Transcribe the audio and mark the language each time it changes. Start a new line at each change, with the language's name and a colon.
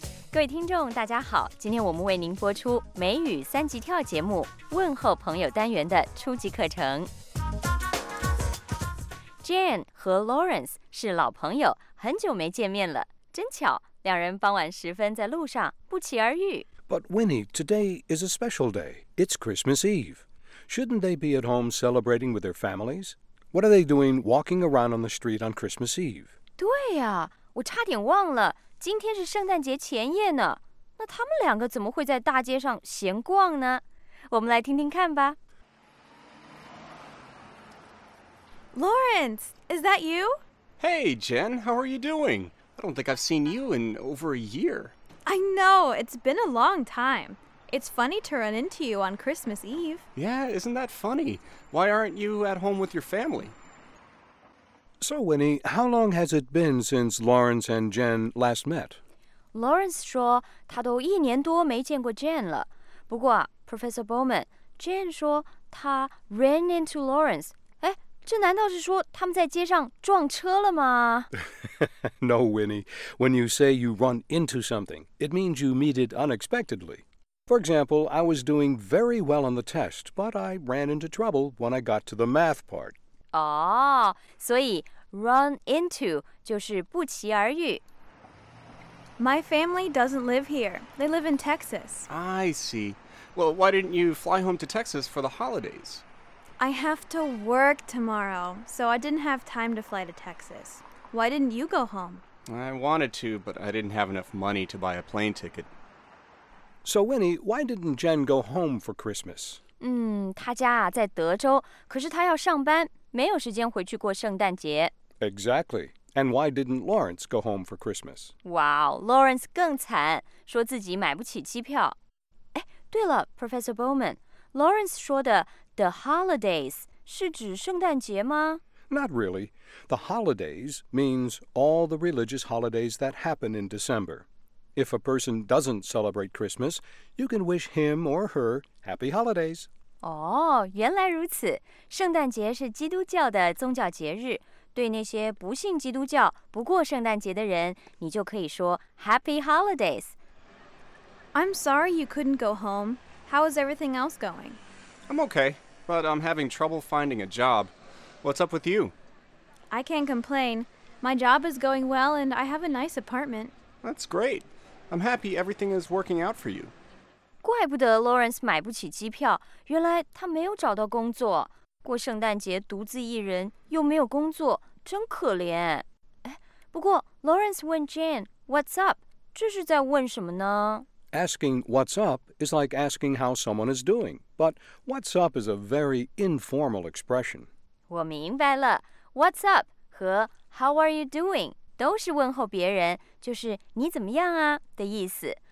Chinese: 各位听众，大家好，今天我们为您播出美语三级跳节目问候朋友单元的初级课程。 Jane 和 Lawrence 是老朋友，很久没见面了，真巧。两人傍晚时分在路上不期而遇。
English: But Winnie, today is a special day. It's Christmas Eve. Shouldn't they be at home celebrating with their families? What are they doing walking around on the street on Christmas Eve?
Chinese: 对呀、啊，我差点忘了，今天是圣诞节前夜呢。那他们两个怎么会在大街上闲逛呢？我们来听听看吧。
English: Lawrence, is that you? Hey, Jen, how are you doing? I don't think I've seen you in over a year. I know, it's been a long time. It's funny to run into you on Christmas Eve. Yeah, isn't that funny? Why aren't you at home with your family? So, Winnie, how long has it been since Lawrence and Jen last met?
Chinese: Lawrence 说他都一年多没见过 Jen 了。不过 Professor Bowman, Jen 说他 ran into Lawrence. 这难道是说他们在街上撞车了吗
English: No, Winnie. When you say you run into something, it means you meet it unexpectedly. For example, I was doing very well on the test, but I ran into trouble when I got to the math part.
Chinese: 哦，所以 run into 就是不期而遇。
English: My family doesn't live here. They live in Texas. I see. Well, why didn't you fly home to Texas for the holidays? I have to work tomorrow, so I didn't have time to fly to Texas. Why didn't you go home? I wanted to, but I didn't have enough money to buy a plane ticket. So Winnie, why didn't Jen go home for Christmas?
Chinese: 她家在德州，可是她要上班，没有时间回去过圣诞节。
English: Exactly. And why didn't Lawrence go home for Christmas?
Chinese: Wow, Lawrence 更惨，说自己买不起机票。哎，对了，Professor Bowman, Lawrence 说的The holidays 是指圣诞节吗
English: ？Not really. The holidays means all the religious holidays that happen in December. If a person doesn't celebrate Christmas, you can wish him or her happy holidays.
Chinese: 哦，原来如此。圣诞节是基督教的宗教节日，对那些不信基督教、不过圣诞节的人，你就可以说
English: Happy holidays. I'm sorry you couldn't go home. How is everything else going? I'm okay, but I'm having trouble finding a job. What's up with you? I can't complain. My job is going well, and I have a nice apartment. That's great. I'm happy everything is working out for you.
Chinese: 怪不得 Lawrence 买不起机票，原来他没有找到工作。过圣诞节独自一人，又没有工作，真可怜。哎，不过 Lawrence 问 Jane, What's up? 这是在问什么呢？
English: Asking what's up is like asking how someone is doing, but what's up is a very informal expression.
Chinese: 我明白了 ，what's up 和
English: how are you doing
Chinese: 都是问候别人，就是你怎么样啊的意思。